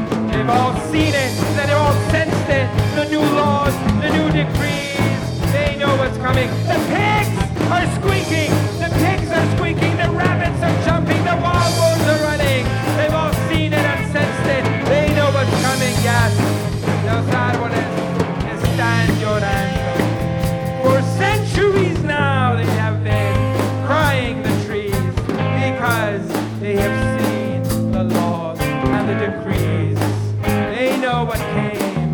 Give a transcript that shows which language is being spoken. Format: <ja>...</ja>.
<en>They've all seen it, they've all sensed it. The new laws, the new decrees, they know what's coming. The pigs are squeaking, the pigs are squeaking. The rabbits are jumping, the wild boars are running. They've all seen it and sensed it. They know what's coming, yes.</en> <es>Los árboles están llorando.</es> <en>For centuries now they have been crying the trees, because they have seen the laws and the decrees. They know what came.</en>